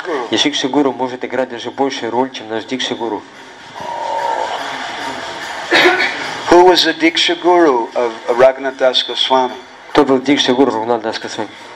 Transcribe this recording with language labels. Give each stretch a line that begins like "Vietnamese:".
Russian: И Шикша Гуру может играть даже большую роль, чем наш Дикша Гуру.
English: Who was the Diksha Guru of Raghunath Das Goswami?
Russian: Кто был Дикша Гуру Раганатха Дас Госвами?